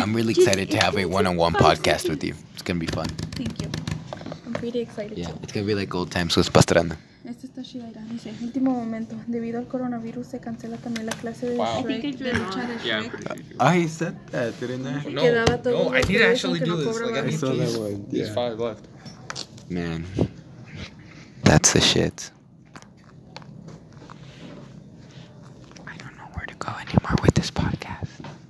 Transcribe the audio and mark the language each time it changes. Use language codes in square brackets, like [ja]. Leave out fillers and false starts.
[en] I'm really excited to have a one-on-one podcast with you. It's going to be fun. Thank you. I'm pretty excited. Yeah, it's going to be like old times with Pastrana. Yeah. [es] Esto está Shida Irán. Dice, último momento. Debido al coronavirus, se cancela también la clase de Shrek. [en] I think it's really hard. Yeah, I'm pretty sure. I said that, didn't I? No, I did actually do this. Like, I saw that one. Yeah. There's five left. Man. That's the shit. I don't know where to go anymore with this podcast.